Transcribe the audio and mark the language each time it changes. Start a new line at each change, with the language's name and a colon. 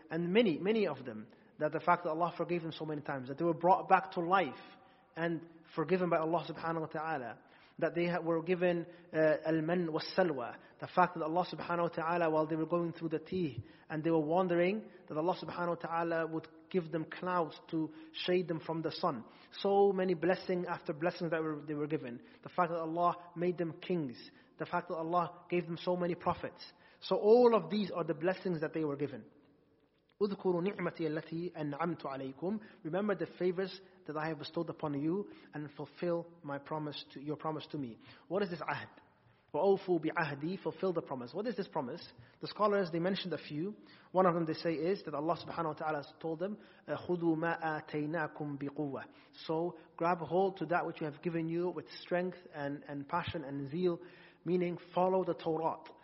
English: And many, many of them, that the fact that Allah forgave them so many times, that they were brought back to life and forgiven by Allah subhanahu wa ta'ala, that they were given al-man was-salwa, the fact that Allah subhanahu wa ta'ala, while they were going through the tea and they were wandering, that Allah subhanahu wa ta'ala would give them clouds to shade them from the sun. So many blessing after blessings that they were given. The fact that Allah made them kings. The fact that Allah gave them so many prophets. So all of these are the blessings that they were given.
Arabic: اذكروا نعمتي التي أنعمت عليكم.
English: Remember the favors that I have bestowed upon you and fulfill my promise to your promise to me. What is this ahd?
Arabic: وَأَوْفُوا بِعَهْدِي,
English: fulfill the promise. What is this promise? The scholars, they mentioned a few. One of them they say is that Allah subhanahu wa ta'ala has told them,
Arabic: خُذُوا مَا آتَيْنَاكُمْ بِقُوَّةِ,
English: so grab hold to that which we have given you with strength and passion and zeal, meaning follow the Torah.